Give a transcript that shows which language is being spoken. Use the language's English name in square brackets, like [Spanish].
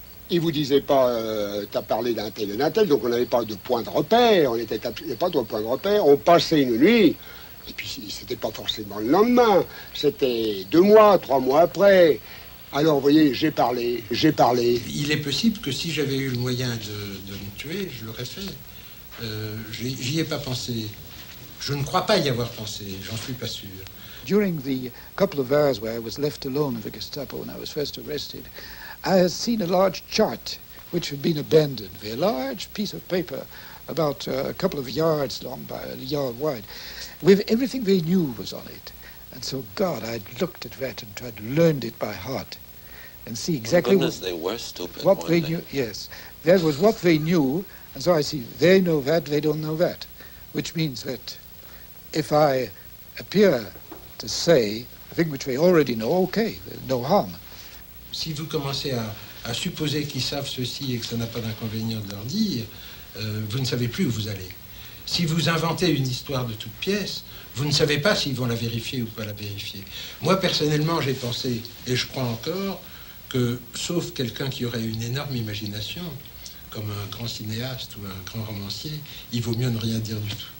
[French] Il vous disait pas, t'as parlé d'un tel et d'un tel, donc on n'avait pas de point de repère, on n'était pas de point de repère, on passait une nuit, et puis c'était pas forcément le lendemain, c'était deux mois, trois mois après. Alors, vous voyez, j'ai parlé. Il est possible que si j'avais eu le moyen de me tuer, je l'aurais fait. J'y ai pas pensé. Je ne crois pas y avoir pensé, j'en suis pas sûr. [English] During the couple of hours where I was left alone with the Gestapo when I was first arrested, I had seen a large chart which had been abandoned, a large piece of paper about a couple of yards long by a yard wide, with everything they knew was on it. And so, God, I'd looked at that and tried to learn it by heart and see exactly what they knew. Yes, that was what they knew, and so I see they know that, they don't know that, which means that if I appear to say a thing which they already know, okay, no harm. [French] Si vous commencez à supposer qu'ils savent ceci et que ça n'a pas d'inconvénient de leur dire, vous ne savez plus où vous allez. Si vous inventez une histoire de toute pièce, vous ne savez pas s'ils vont la vérifier ou pas la vérifier. Moi, personnellement, j'ai pensé, et je crois encore, que sauf quelqu'un qui aurait une énorme imagination, comme un grand cinéaste ou un grand romancier, il vaut mieux ne rien dire du tout.